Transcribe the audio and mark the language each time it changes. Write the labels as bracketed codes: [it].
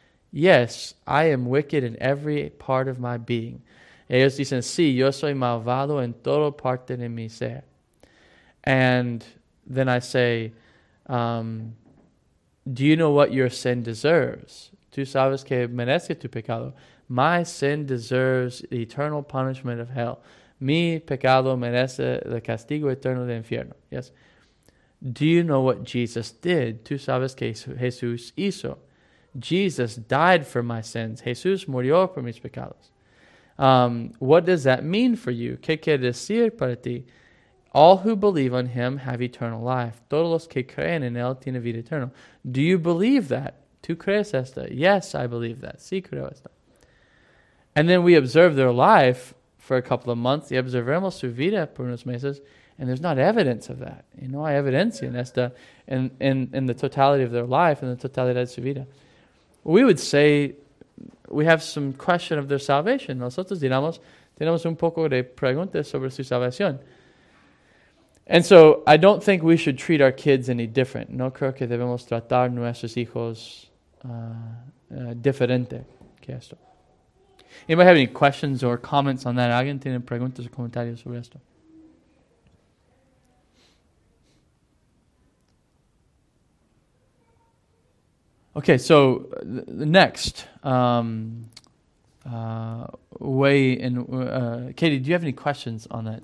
[en] Yes, I am wicked in every part of my being. [es] Ellos dicen, sí, yo soy malvado en toda parte de mi ser. [en] And then I say, do you know what your sin deserves? [es] Tú sabes que merece tu pecado. [en] My sin deserves the eternal punishment of hell. [es] Mi pecado merece el castigo eterno del infierno. Yes. [en] Do you know what Jesus did? [es] Tú sabes que Jesús hizo. [en] Jesus died for my sins. [es] Jesús murió por mis pecados. [en] What does that mean for you? [es] ¿Qué quiere decir para ti? [en] All who believe on him have eternal life. [es] Todos los que creen en él tienen vida eterna. [en] Do you believe that? [es] ¿Tú crees esto? [en] Yes, I believe that. [es] Sí, creo esto. [en] And then we observe their life for a couple of months. [es] Y observamos su vida por unos meses. [en] And there's not evidence of that. [es] Y no hay evidencia en esta, [en] in the totality of their life, in the [es] totalidad de su vida. [en] We would say we have some question of their salvation. [es] Nosotros diríamos, tenemos un poco de preguntas sobre su salvación. [en] And so I don't think we should treat our kids any different. [es] No creo que debemos tratar nuestros hijos diferente que esto. [en] Anybody have any questions or comments on that? [es] ¿Alguien tiene preguntas o comentarios sobre esto? [en] Okay, so next, way in, Katie, do you have any questions on that?